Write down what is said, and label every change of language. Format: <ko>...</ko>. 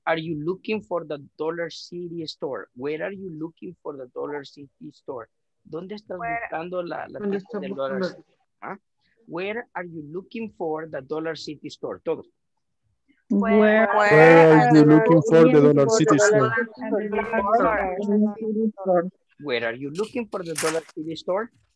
<en>are you looking for the Dollar City store? Where are you looking for the Dollar City store?</en> <es>¿Dónde estás buscando la tienda de Dollar City?</es> <en>Where are you looking for the Dollar City store?</en> <es>Todos.</es> <en>Where are you looking for the Dollar City store? Where are you looking for the Dollar City store?</en>